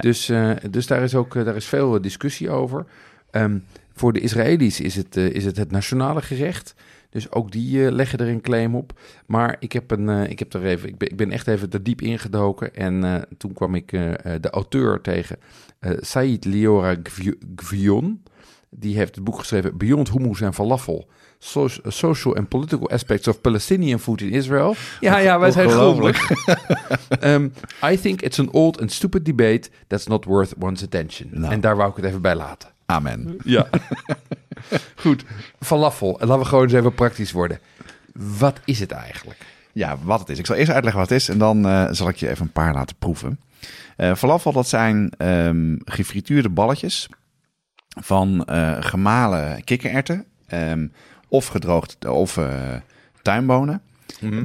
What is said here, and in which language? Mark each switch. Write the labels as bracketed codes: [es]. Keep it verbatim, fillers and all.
[nl] Dus, uh, dus daar is ook uh, daar is veel discussie over. Um, voor de Israëli's is het, uh, is het het nationale gerecht... Dus ook die uh, leggen er een claim op. Maar ik heb, een, uh, ik heb er even, ik ben, ik ben echt even er diep ingedoken. En uh, toen kwam ik uh, de auteur tegen, uh, Said Liora Gvion. Die heeft het boek geschreven Beyond Hummus en Falafel. [en] So- social and Political Aspects of Palestinian Food in Israel. [nl] Ja, ja, wij zijn grondig. [en] um, I think it's an old and stupid debate that's not worth one's attention. [nl] Nou. En daar wou ik het even bij laten. Amen. Ja. Goed, falafel. Laten we gewoon eens even praktisch worden. Wat is het eigenlijk? Ja, wat het is. Ik zal eerst uitleggen wat het is en dan uh, zal ik je even een paar laten proeven. Uh, falafel, dat zijn um, gefrituurde balletjes van uh, gemalen kikkererwten um, of gedroogd of uh, tuinbonen. Mm-hmm.